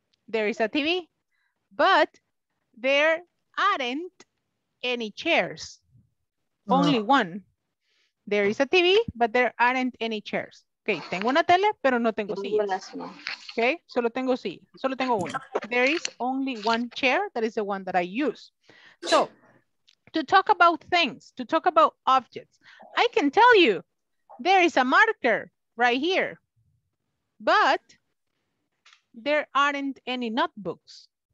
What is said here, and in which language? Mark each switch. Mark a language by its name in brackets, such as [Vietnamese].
[English] There is a TV, but there aren't any chairs, only one. There is a TV, but there aren't any chairs. [Spanish] Okay, tengo una tele, pero no tengo sillas. Okay, solo tengo sillas, solo tengo una. [English] There is only one chair, that is the one that I use. So, to talk about things, to talk about objects, I can tell you, there is a marker right here, but there aren't any notebooks.